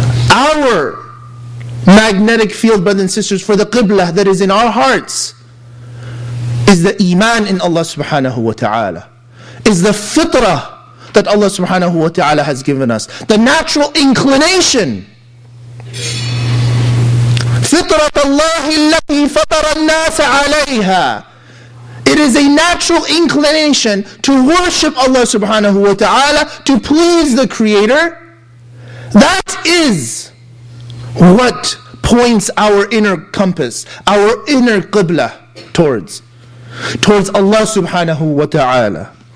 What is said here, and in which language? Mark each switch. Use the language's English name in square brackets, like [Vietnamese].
[English] Our magnetic field, brothers and sisters, for the qibla that is in our hearts, is the iman in Allah subhanahu wa ta'ala. Is the fitrah that Allah subhanahu wa ta'ala has given us. The natural inclination [Arabic] فطرة الله التي فطر الناس عليها. [English] It is a natural inclination to worship Allah subhanahu wa ta'ala, to please the Creator. That is what points our inner compass, our inner qibla towards Allah subhanahu wa ta'ala.